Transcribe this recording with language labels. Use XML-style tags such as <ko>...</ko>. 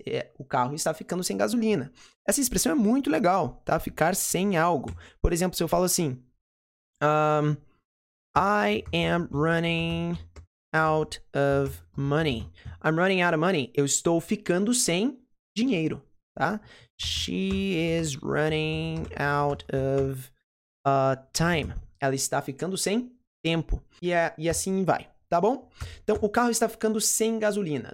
<pt>É, o carro está ficando sem gasolina. Essa expressão é muito legal, tá? Ficar sem algo. Por exemplo, se eu falo assim,</pt> <en>I am running out of money. I'm running out of money.</en> <pt>Eu estou ficando sem dinheiro, tá?</pt> <en>She is running out of time.</en> <pt>Ela está ficando sem tempo. E assim vai, tá bom? Então, o carro está ficando sem gasolina.</pt>